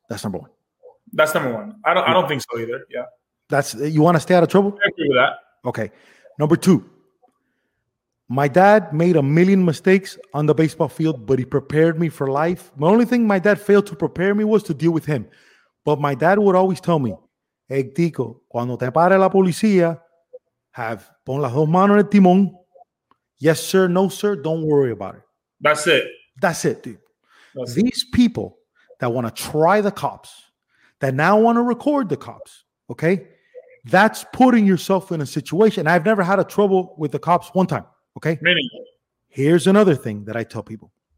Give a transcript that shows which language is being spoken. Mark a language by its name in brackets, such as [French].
[English] That's number one. I don't think so either. Yeah. You want to stay out of trouble? I agree with that. Okay. Number two, my dad made a million mistakes on the baseball field, but he prepared me for life. The only thing my dad failed to prepare me was to deal with him. But my dad would always tell me, hey, [Spanish] tico, cuando te pare la policía, pon las dos manos en el timón. [English] Yes, sir. No, sir. Don't worry about it. That's it. That's it, dude. These people that want to try the cops, that now want to record the cops, okay, that's putting yourself in a situation. I've never had a trouble with the cops one time. Okay. Here's another thing that I tell people.